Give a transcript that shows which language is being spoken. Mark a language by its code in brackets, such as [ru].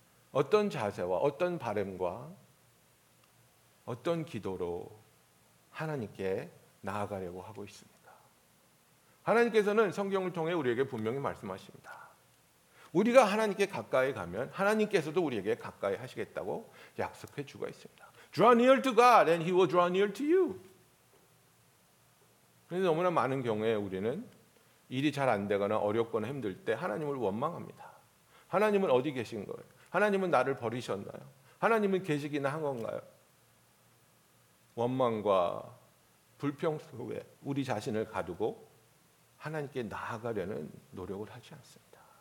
[ko] 어떤 자세와 어떤 바람과 어떤 기도로 하나님께 나아가려고 하고 있습니까? 하나님께서는 성경을 통해 우리에게 분명히 말씀하십니다. 우리가 하나님께 가까이 가면 하나님께서도 우리에게 가까이 하시겠다고 약속해 주고 있습니다. [en] Draw near to God and he will draw near to you. [ko] 그런데 너무나 많은 경우에 우리는 일이 잘 안 되거나 어렵거나 힘들 때 하나님을 원망합니다. 하나님은 어디 계신 거예요? 하나님은 나를 버리셨나요? 하나님은 계시기나 한 건가요? 원망과 불평 속에 우리 자신을 가두고 하나님께 나아가려는 노력을 하지 않습니다.